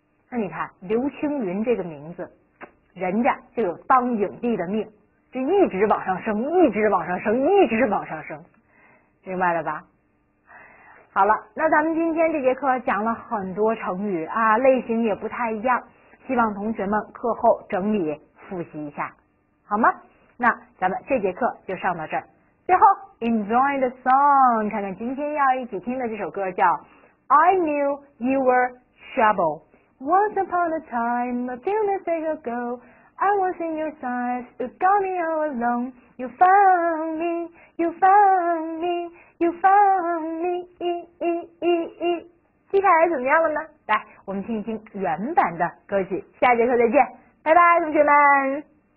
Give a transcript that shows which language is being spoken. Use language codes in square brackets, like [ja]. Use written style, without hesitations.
[zh] 那你看刘青云这个名字，人家就有当影帝的命，就一直往上升，一直往上升，一直往上升，明白了吧？好了，那咱们今天这节课讲了很多成语啊，类型也不太一样，希望同学们课后整理复习一下，好吗？那咱们这节课就上到这儿。最后 [en] enjoy the song， [zh] 看看今天要一起听的这首歌叫 I knew you were trouble。 [en] Once upon a time, a few mistakes ago, I was in your size, you got me all alone. You found me, you found me, you found me. [zh] 接下来怎么样了呢？来，我们听一听原版的歌曲。下节课再见，拜拜，同学们。